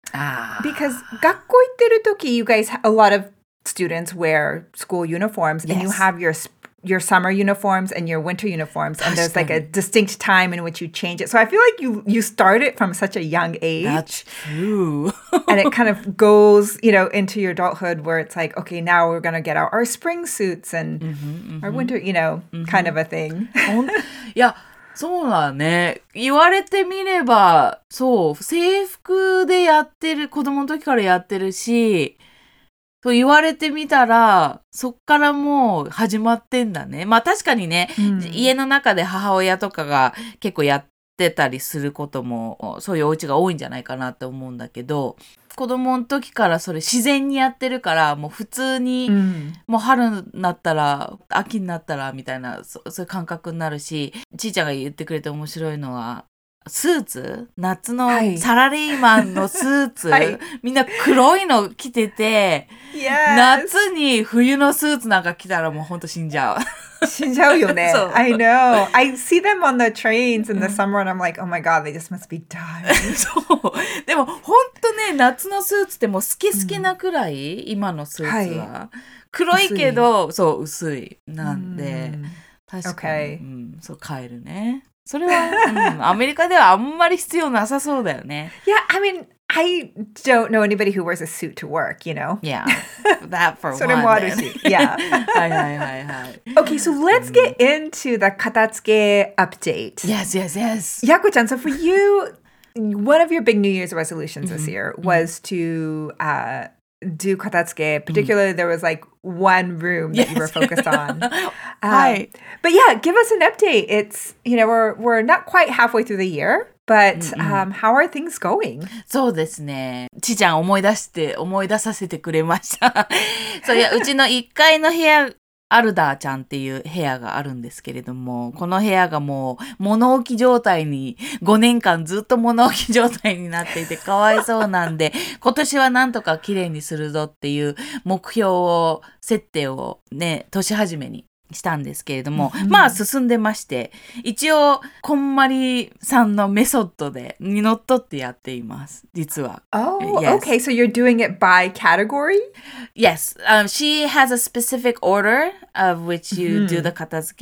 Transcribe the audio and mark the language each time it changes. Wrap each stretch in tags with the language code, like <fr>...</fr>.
<en>Because</en> <ja>学校行ってる時,</ja> <en>you guys, a lot of students wear school uniforms, and you have your summer uniforms and your winter uniforms, and there's like a distinct time in which you change it. So I feel like you start it from such a young age. That's true. And it kind of goes, you know, into your adulthood where it's like, okay, now we're going to get out our spring suits and our winter, you know, kind of a thing. Yeah,</en> <ja>そうだね。言われてみれば、そう、制服でやってる、子供の時からやってるし、と言われてみたら、そっからもう始まってんだね。まあ確かにね、家の中で母親とかが結構やってたりすることも、そういうお家が多いんじゃないかなと思うんだけど、子供の時からそれ自然にやってるから、もう普通に、もう春になったら、秋になったらみたいな、そういう感覚になるし、ちーちゃんが言ってくれて面白いのは、スーツ夏のサラリーマンのスーツ、はい、みんな黒いの着てて、夏に冬のスーツなんか着たらもう本当死んじゃう。死んじゃうよね。そう。</ja> <en>I know. I see them on the trains in the summer and I'm like, oh my god, they just must be dying.</en> <ja>そう。でも本当ね、夏のスーツってもう好き好きなくらい、今のスーツは。はい、黒いけど、そう、薄い。なんで、確かに、</ja> <en>okay.</en> <ja>そう、変えるね。それは、アメリカではあんまり必要なさそうだよね。</ja> <en>Yeah, I mean, I don't know anybody who wears a suit to work, you know? Yeah, that for one. Sort of water suit, yeah. Okay, so let's get into the katatsuke update. Yes, yes, yes. Yaku-chan, so for you, one of your big New Year's resolutions this year was to do katatsuke. Particularly, there was like one room that you were focused on. But yeah, give us an update. It's, you know, we're not quite halfway through the year. But how are things going?</en> <ja>そうですね。ちーちゃん思い出させてくれました。そういや、うちの1階の部屋、アルダーちゃんっていう部屋があるんですけれども、この部屋がもう物置状態に、5年間ずっと物置状態になっていてかわいそうなんで、今年はなんとか綺麗にするぞっていう目標を、設定をね、年始めに。したんですけれども、まあ進んでまして、一応こんまりさんのメソッドでにのっとってやっています。実は。</ja> <en>Oh, yes. Okay. So you're doing it by category? Yes. She has a specific order of which you do the katazuke.</en>